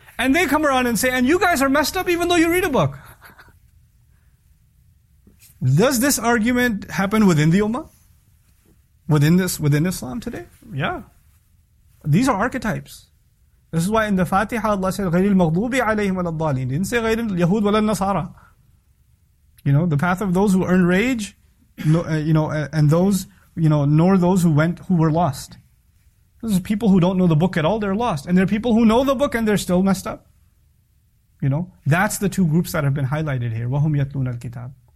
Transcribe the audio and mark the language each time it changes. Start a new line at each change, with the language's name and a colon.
English: And they come around and say, and you guys are messed up even though you read a book. Does this argument happen within the Ummah? Within Islam today? Yeah. These are archetypes. This is why in the Fatiha, Allah said,
Arabic: غَيْرِ الْمَغْضُوبِ عَلَيْهِمْ وَلَى الضَّالِينَ.
English: He didn't say
Arabic: غَيْرِ الْيَهُودِ وَلَى النَّصَارَى.
English: You know, the path of those who earn rage, you know, and those, you know, nor those who were lost. Those are people who don't know the book at all, they're lost. And there are people who know the book and they're still messed up. You know, that's the two groups that have been highlighted here.
Arabic: وَهُمْ يَتْلُونَ الْكِتَابِ.